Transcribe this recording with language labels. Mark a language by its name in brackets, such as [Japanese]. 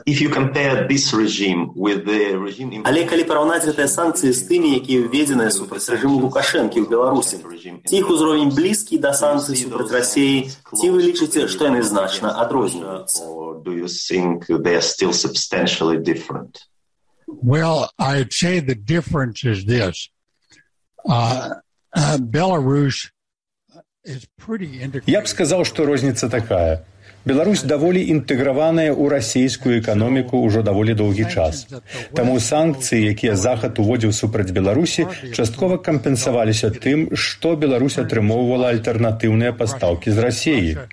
[Belarusian] Але калі параўнаць гэтыя санкцыі з тымі, якія ўведзеныя супраць рэжыму Лукашэнкі ў Беларусі, ці іх узровень блізкі да санкцый супраць Расіі, ці вы лічыце, што яны значна адрозніваюцца? [English] Do you think they are still substantially different? Well, I'd say the difference is this. Belarus is pretty integrated. [Belarusian] Я б сказаў, што розніца такая. Беларусь даволі інтэграваная ў расійскую эканоміку ўжо даволі доўгі час. Таму санкцыі, якія Захад уводзіў супраць Беларусі, часткова кампенсаваліся тым, што Беларусь атрымоўвала альтэрнатыўныя пастаўкі з Расіі.